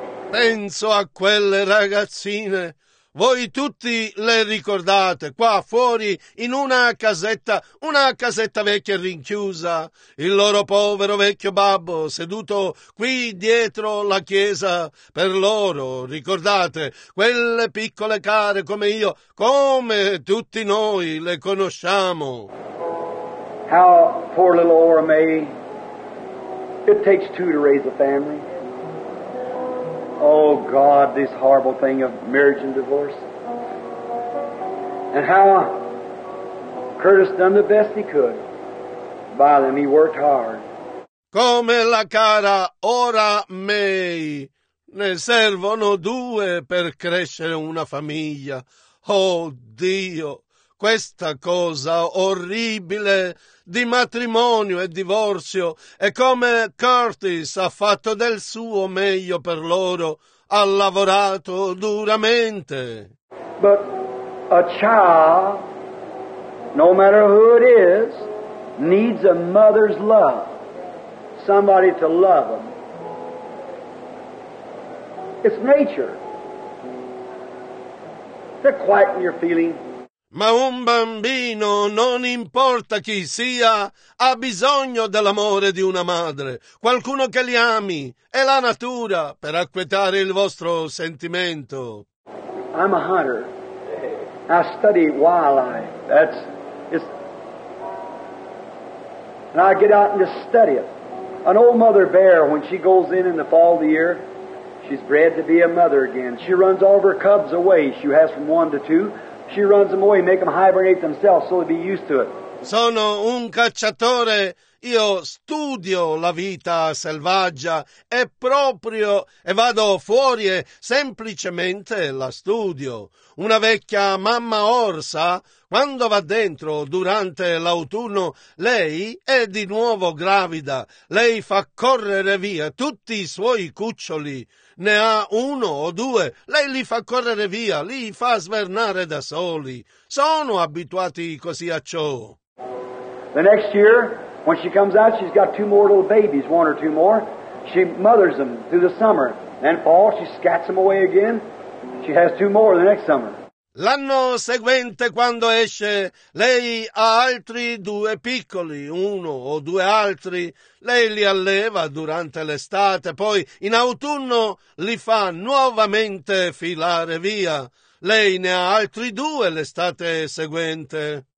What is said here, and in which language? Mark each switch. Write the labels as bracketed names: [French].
[Italian] Penso a quelle ragazzine. Voi tutti le ricordate, qua fuori, in una casetta vecchia rinchiusa, il loro povero vecchio babbo seduto qui dietro la chiesa per loro. Ricordate, quelle piccole care come io, come tutti noi le conosciamo. [English] How poor little Ora May. It takes two to raise a family. Oh, God, this horrible thing of marriage and divorce. And how Curtis done the best he could by them. He worked hard. [Italian] Come la cara Ora May. Ne servono due per crescere una famiglia. Oh, Dio. Questa cosa orribile di matrimonio e divorzio, e come Curtis ha fatto del suo meglio per loro, ha lavorato duramente. [English] But a child, no matter who it is, needs a mother's love, somebody to love them. It's nature. To quieten your feelings. [Italian] Ma un bambino, non importa chi sia, ha bisogno dell'amore di una madre, qualcuno che li ami, è la natura per acquietare il vostro sentimento. [English] I'm a hunter. I study wildlife. That's it's and I get out and just study it. An old mother bear, when she goes in the fall of the year, she's bred to be a mother again. She runs all of her cubs away. She has from one to two. She runs them away, make them hibernate themselves so they'd be used to it. [Italian] Sono un cacciatore, io studio la vita selvaggia e proprio e vado fuori e semplicemente la studio. Una vecchia mamma orsa, quando va dentro durante l'autunno, lei è di nuovo gravida. Lei fa correre via tutti i suoi cuccioli. Ne ha uno o due. Lei li fa correre via, li fa svernare da soli. Sono abituati così a ciò. [English] The next year, when she comes out, she's got two more little babies, one or two more. She mothers them through the summer. Then fall, she scats them away again. She has two more the next summer. [Italian] L'anno seguente, quando esce, lei ha altri due piccoli, uno o due altri. Lei li alleva durante l'estate, poi in autunno li fa nuovamente filare via. Lei ne ha altri due l'estate seguente.